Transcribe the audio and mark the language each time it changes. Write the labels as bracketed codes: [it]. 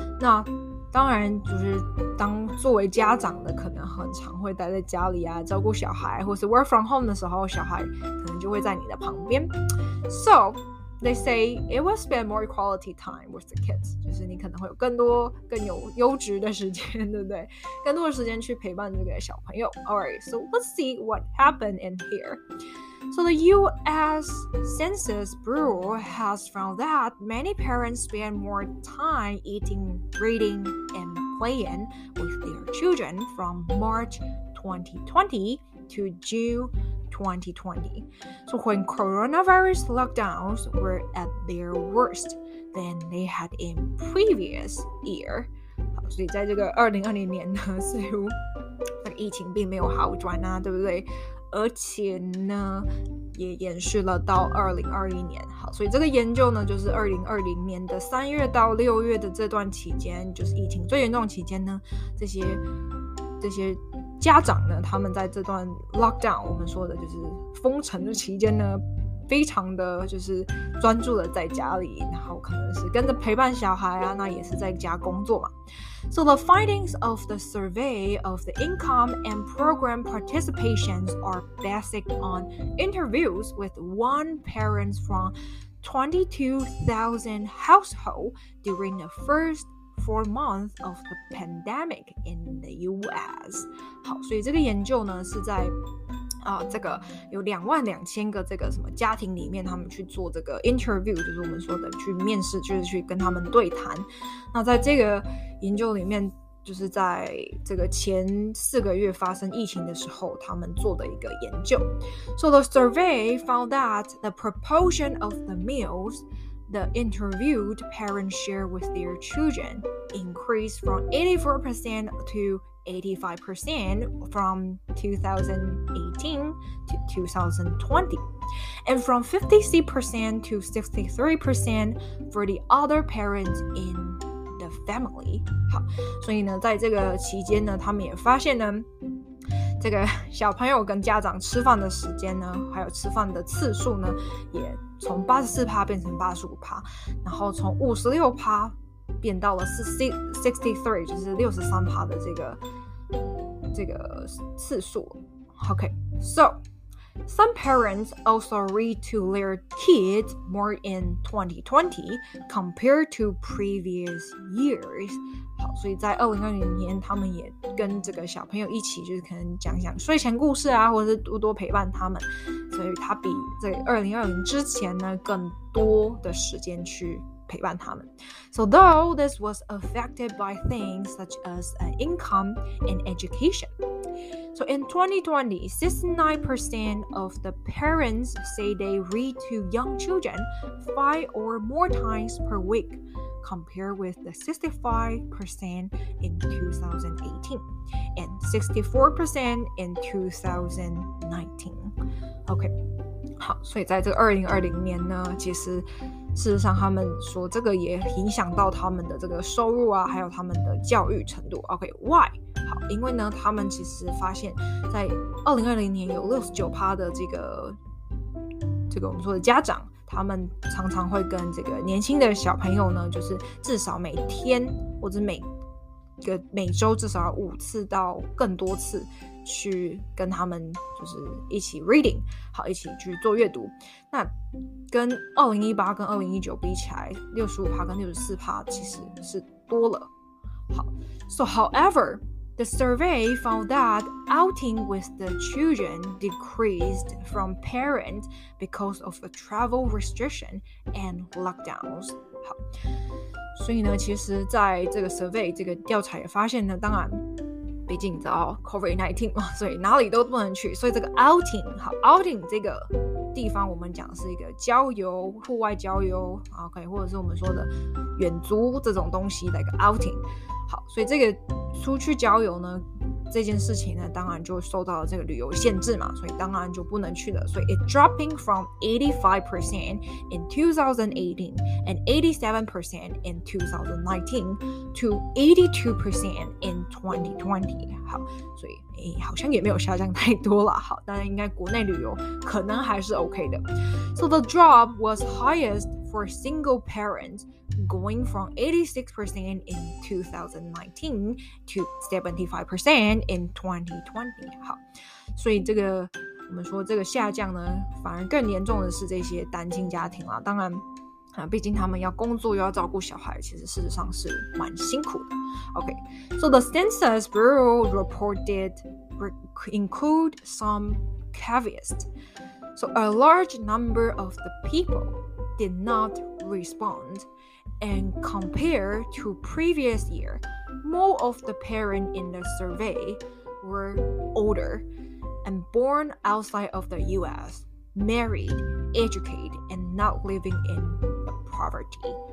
[zh] 那当然就是当作为家长的，可能很常会待在家里啊，照顾小孩，或是 [en] work from home [zh] 的时候，小孩可能就会在你的旁边。 [en] So they say it will spend more quality time with the kids， [zh] 就是你可能会有更多更有优质的时间，对不对？更多的时间去陪伴这个小朋友。 [en] Alright， so let's see what happened in here。 So the U.S. Census Bureau has found that many parents spend more time eating, reading, and playing with their children from March 2020 to June 2020. So when coronavirus lockdowns were at their worst than they had in previous year. [zh] 好，所以在这个2020年呢，似乎那个疫情并没有好转啊，对不对？而且呢，也延续了到2021年。好，所以这个研究呢，就是2020年的3月到6月的这段期间，就是疫情最严重期间呢，这些家长呢，他们在这段 lockdown， 我们说的就是封城的期间呢，非常的就是专注的在家里，然后可能是跟着陪伴小孩啊，那也是在家工作嘛。 [en] So the findings of the survey of the income and program participations are based on interviews with one parent from 22,000 households during the first 4 months of the pandemic in the U.S. [zh] 好，所以这个研究呢是在这个有22,000个这个什么家庭里面，他们去做这个 interview， 就是我们说的去面试，就是去跟他们对谈。那在这个研究里面，就是在这个前四个月发生疫情的时候，他们做的一个研究。 [en] So the survey found that the proportion of the meals the interviewed parents share with their children increased from 84% to 85% from 2018 to 2020, and from 56% to 63% for the other parents in the family. [zh] 好，所以呢，在这个期间呢，他们也发现呢，这个小朋友跟家长吃饭的时间呢，还有吃饭的次数呢，也从84%变成85%，然后从56%变到了63%，就是63%的这个次数。 [en] OK, so some parents also read to their kids more in 2020 compared to previous years. [zh] 好，所以在2020年，他们也跟这个小朋友一起，就是可能讲睡前故事啊，或者是多陪伴他们，所以他比这2020之前呢更多的时间去陪伴他们。 [en] So though this was affected by things such as income and education. So in 2020, 69% of the parents say they read to young children 5 or more times per week, compared with the 65% in 2018 and 64% in 2019. [zh] Okay. 好，所以在这个2020年呢，其实事实上他们说这个也影响到他们的这个收入啊，还有他们的教育程度。 [en] OK, why? [zh] 好，因为呢他们其实发现在2020年有 69% 的这个我们说的家长，他们常常会跟这个年轻的小朋友呢，就是至少每天或者每周至少五次到更多次去跟他们就是一起 reading， 好，一起去做阅读。那跟2018跟2019比起来，65%跟64%其实是多了。 [en] 好， so however, the survey found that outing with the children decreased from parents because of the travel restriction and lockdowns. [zh] 好，所以呢，其实在这个 survey 这个调查也发现呢，当然毕竟你知道 COVID-19 嘛，所以哪里都不能去，所以这个 outing 好 outing 这个地方我们讲是一个郊游，户外郊游 OK， 或者是我们说的远足这种东西的一个 outing。好，所以这个出去郊游呢，这件事情呢当然就受到了这个旅游限制嘛，所以当然就不能去了。 [en] 所以 it dropping from 85% in 2018 and 87% in 2019 to 82% in 2020。 [zh] 好，所以好像也没有下降太多了。好，但应该国内旅游可能还是 OK 的。 [en] So the drop was highest for single parents, going from 86% in 2019 to 75% in 2020. [zh] 好，所以这个我们说这个下降呢，反而更严重的是这些单亲家庭啦。当然啊，毕竟他们要工作又要照顾小孩，其实事实上是蛮辛苦的。 [en] OK, so the Census Bureau reported include some caveats. So a large number of the people did not respond, and compared to previous year, more of the parents in the survey were older and born outside of the US, married, educated, and not living in poverty.